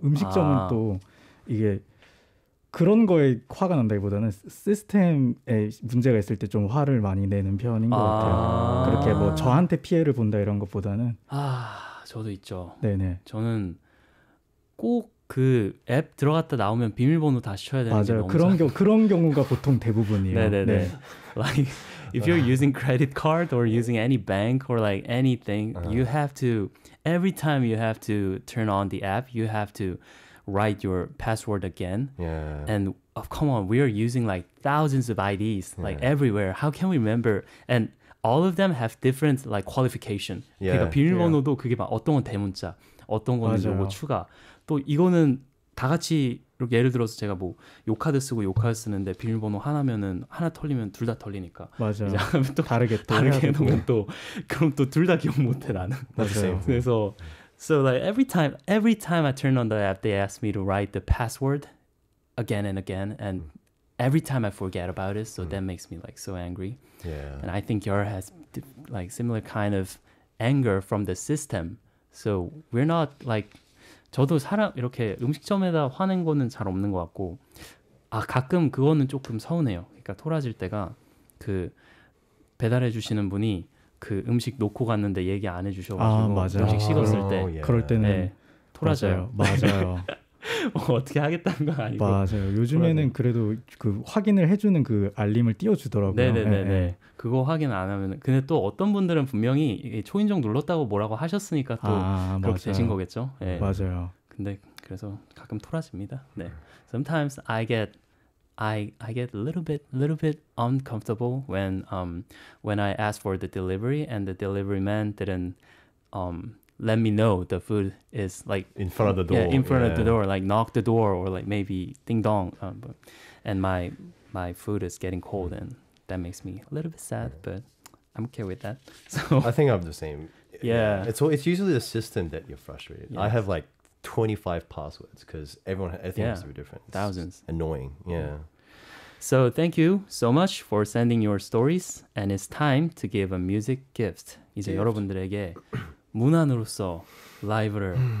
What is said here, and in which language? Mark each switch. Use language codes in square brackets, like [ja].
[ko] 음식점은 또 이게 그런 거에 화가 난다기보다는 시스템에 문제가 있을 때 좀 화를 많이 내는 편인 것 같아요. 그렇게 뭐 저한테 피해를 본다 이런 것보다는 아, 저도 있죠. 네네. 저는 꼭 그 앱 들어갔다 나오면 비밀번호 다시 쳐야 되는 맞아요. 그런 경우가 보통 대부분이에요. 네네네. 네. [en] Like if you're using credit card or using any bank or like anything, you have to every time you have to turn on the app, you have to write your password again. Yeah. And oh, come on, we are using like thousands of IDs like everywhere. How can we remember? And all of them have different like qualification. Yeah. [ko] 그러니까 비밀번호도 그게 막 어떤 건 대문자, 어떤 건 뭐 추가. 또 이거는 다 같이 이렇게 예를 들어서 제가 뭐 요 카드 쓰고 요 카드 쓰는데 비밀번호 하나면은 하나 털리면 둘 다 털리니까 맞아요. 또 다르게 해놓으면 또 그럼 또 둘 다 기억 못해 나는 맞아요. 그래서 [en] so like every time I turn on the app, they ask me to write the password again and again, and every time I forget about it, so that makes me like so angry. Yeah. And I think Yara has like similar kind of anger from the system. So we're not like [ko] 저도 사람 이렇게 음식점에다 화낸 거는 잘 없는 것 같고 아 가끔 그거는 조금 서운해요. 그러니까 토라질 때가 그 배달해 주시는 분이 그 음식 놓고 갔는데 얘기 안 해주셔가지고 아, 음식 식었을 때 그럴 때는 네, 토라져요. 맞아요. 어떻게 하겠다는 건 아니고 맞아요. 요즘에는 토라져요. 그래도 그 확인을 해주는 그 알림을 띄워주더라고요. 네네네네. 네. 그거 확인 안 하면 근데 또 어떤 분들은 분명히 초인종 눌렀다고 뭐라고 하셨으니까 또 아, 그렇게 맞아요. 되신 거겠죠. 네. 맞아요. 근데 그래서 가끔 토라집니다. 네. [en] Sometimes I get a little bit uncomfortable when I ask for the delivery and the delivery man didn't let me know the food is like in front of the door. Yeah, in front of the door, like knock the door or like maybe ding dong. And my food is getting cold and that makes me a little bit sad, but I'm okay with that. So I think I'm the same. Yeah. It's usually the system that you're frustrated. Yes. I have like 25 passwords because everyone has to be different. It's thousands. Annoying. Yeah. So thank you so much for sending your stories and it's time to give a music gift. [ko] 이제 gift. 여러분들에게 문안으로서 라이브를